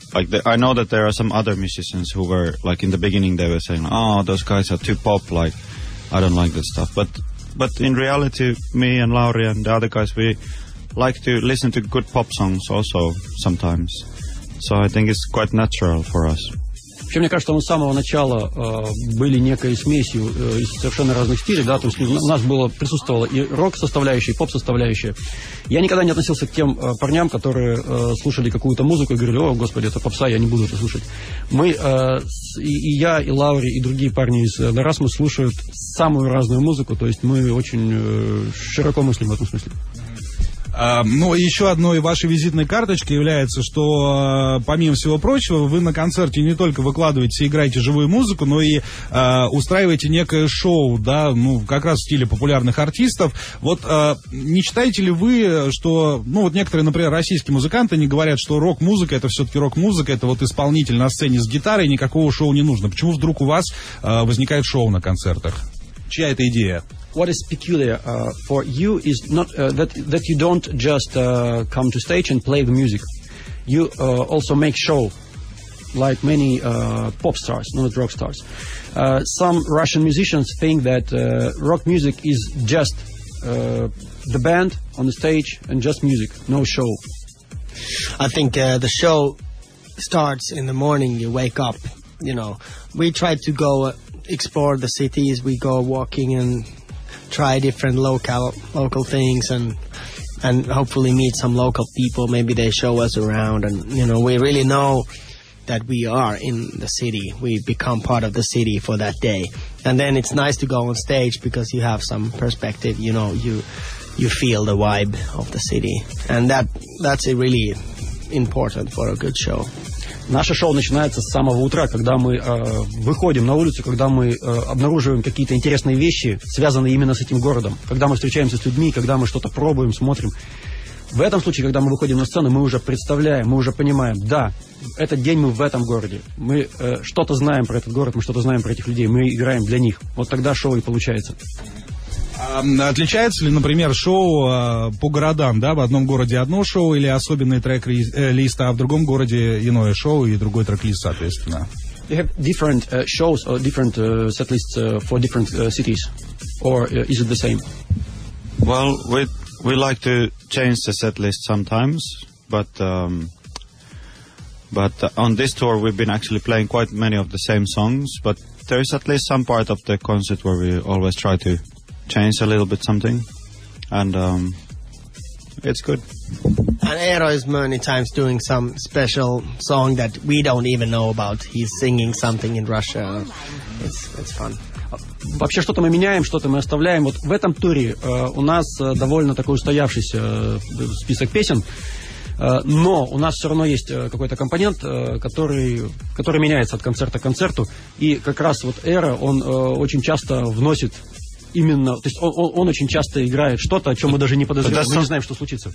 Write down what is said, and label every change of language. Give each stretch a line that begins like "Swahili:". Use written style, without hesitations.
English: Like I know that there are some other musicians who were like in the beginning they were saying, "Oh, those guys are too pop. Like, I don't like that stuff." But in reality, me and Lauri and the other guys, we like to listen to good pop songs also sometimes. So I think it's quite natural for us.
Russian: Мне кажется, мы с самого начала были некой смесью из совершенно разных стилей, да, то есть у нас было, присутствовало и рок-составляющая, и поп-составляющая. Я никогда не относился к тем парням, которые слушали какую-то музыку и говорили: «О, господи, это попса, я не буду это слушать». Мы, и я, и Лаури, и другие парни из Дорасмы слушают самую разную музыку, то есть мы очень широко мыслим в этом смысле. Ну, еще одной вашей визитной карточкой является, что, помимо всего прочего, вы на концерте не только выкладываете и играете живую музыку, но и устраиваете некое шоу, да, ну, как раз в стиле популярных артистов. Вот не считаете ли вы, что, ну, вот некоторые, например, российские музыканты, они говорят, что рок-музыка — это все-таки рок-музыка, это вот исполнитель на сцене с гитарой, никакого шоу не нужно. Почему вдруг у вас возникает шоу на концертах? Чья это идея?
English: What is peculiar for you is not that you don't just come to stage and play the music. You also make show, like many pop stars, not rock stars. Some Russian musicians think that rock music is just the band on the stage and just music, no show. I think the show starts in the morning, you wake up, you know. We try to go explore the cities, we go walking and try different local things and hopefully meet some local people. Maybe they show us around, and you know, we really know that we are in the city. We become part of the city for that day, and then it's nice to go on stage because you have some perspective, you know, you feel the vibe of the city, and that's really important for a good show.
Russian: Наше шоу начинается с самого утра, когда мы выходим на улицу, когда мы обнаруживаем какие-то интересные вещи, связанные именно с этим городом, когда мы встречаемся с людьми, когда мы что-то пробуем, смотрим. В этом случае, когда мы выходим на сцену, мы уже представляем, мы уже понимаем, да, этот день мы в этом городе, мы что-то знаем про этот город, мы что-то знаем про этих людей, мы играем для них. Вот тогда шоу и получается. Отличается ли, например, шоу по городам, да, в одном городе одно шоу или особенный трек-лист, а в другом городе иное шоу и другой трек-лист, соответственно?
English: They have different shows or different setlists for different cities, or is it the same? Well, we like to change the setlist sometimes, but on this tour we've been actually playing quite many of the same songs, but there is at least some part of the concert where we always try to change a little bit something, and it's good. And Eero is many times doing some special song that we don't even know about. He's singing something in Russia. It's fun.
Russian: Вообще, что-то мы меняем, что-то мы оставляем. Вот в этом туре у нас довольно такой устоявшийся список песен. Но у нас все равно есть какой-то компонент, который меняется от концерта к концерту. И как раз вот Эро, он очень часто вносит именно, то есть он очень часто играет что-то, о чем мы даже не подозреваем, мы не знаем, что случится.